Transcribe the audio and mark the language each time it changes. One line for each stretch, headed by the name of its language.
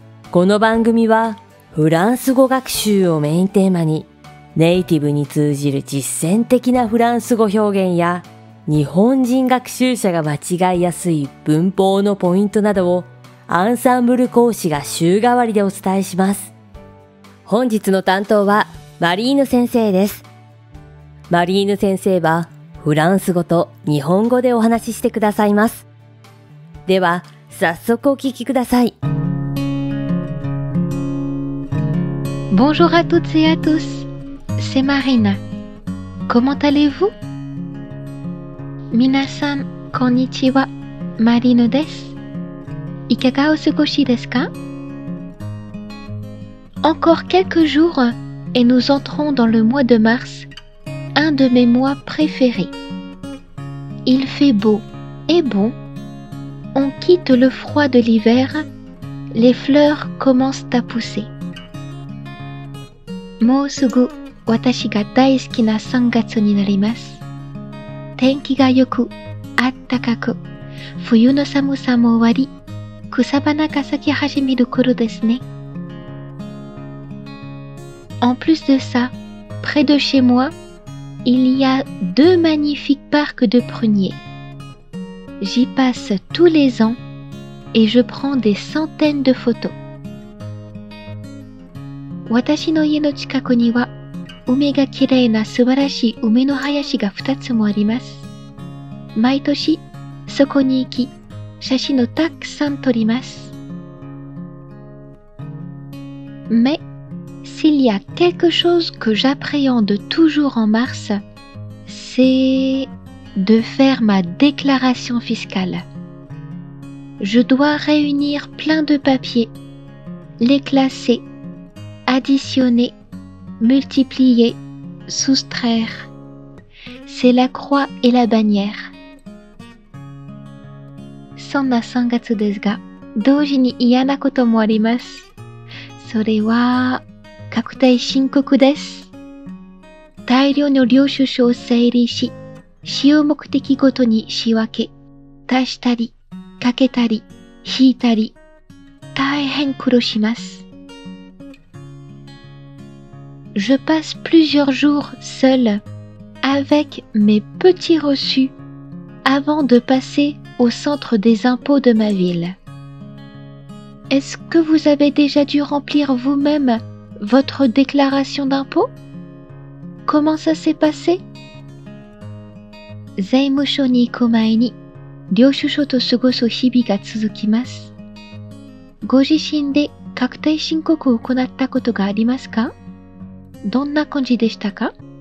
Japanese: この番組はフランス語学習をメインテーマに、ネイティブに通じる実践的なフランス語表現や日本人学習者が間違いやすい文法のポイントなどをアンサンブル講師が週替わりでお伝えします。本日の担当はマリーヌ先生です。マリーヌ先生はフランス語と日本語でお話ししてくださいます。では早速お聞きください。
French: Bonjour à toutes et à tous, c'est Marina. Comment allez-vous?
Japanese: 皆さん、こんにちは。マリーヌです。いかがお過ごしですか?
French: Encore quelques jours et nous entrons dans le mois de mars, un de mes mois préférés. Il fait beau et bon. On quitte le froid de l'hiver. Les fleurs commencent à pousser.
Japanese: もうすぐ、私が大好きな3月になります。天気がよく、あったかく、冬の寒さも終わり、草花が咲き始める頃ですね。
French: En plus de ça, près de chez moi, il y a deux magnifiques parcs de pruniers. J'y passe tous les ans et je prends des centaines de photos.
Japanese: 私の家の近くには、梅がきれいな素晴らしい梅の林が2つもあります。毎年、そこに行き、写真をたくさん撮ります。
French: Mais, s'il y a quelque chose que j'appréhende toujours en mars, c'est de faire ma déclaration fiscale. Je dois réunir plein de papiers, les classer, additionner, multiplier, soustraire. C'est la croix et la bannière.
Japanese: そんな3月ですが、同時に嫌なこともあります。それは、確定申告です。大量の領収書を整理し、使用目的ごとに仕分け、足したり、かけたり、引いたり、大変苦労します。
French: Je passe plusieurs jours seul avec mes petits reçus avant de passerau centre des impôts de ma ville. Est-ce que vous avez déjà dû remplir vous-même votre déclaration d'impôt? Comment ça s'est passé?
Japanese: 税務署に行く前に、領収書と過ごす日々が続きます。ご自身で確定申告を行ったことがありますか？どんな感じでしたか？